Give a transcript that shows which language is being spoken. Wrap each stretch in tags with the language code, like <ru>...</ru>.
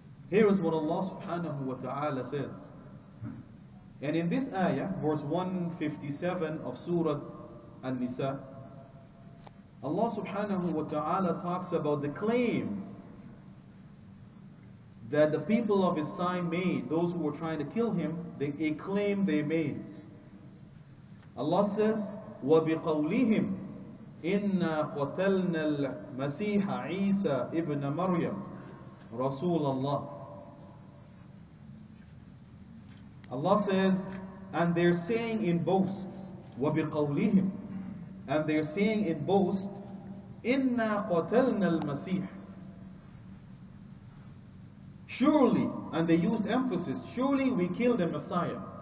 <en>Here is what Allah subhanahu wa ta'ala said. And in this ayah, verse 157 of Surah An-Nisa, Allah subhanahu wa ta'ala talks about the claim that the people of his time made, those who were trying to kill him, a claim they made. Allah says,</en> <ar>وَبِقَوْلِهِمْ إِنَّا قَتَلْنَا الْمَسِيحَ عِيسَى إِبْنَ مَرْيَمْ رَسُولَ اللَّهِ.</ar> <en>Allah says, and they're saying in boast,</en> <ar>وَبِقَوْلِهِمْ,</ar> <en>and they're saying in boast,</en> <ar>إِنَّا قَتَلْنَا الْمَسِيحَ.</ar> <en>Surely, and they used emphasis, surely we killed the Messiah.</en>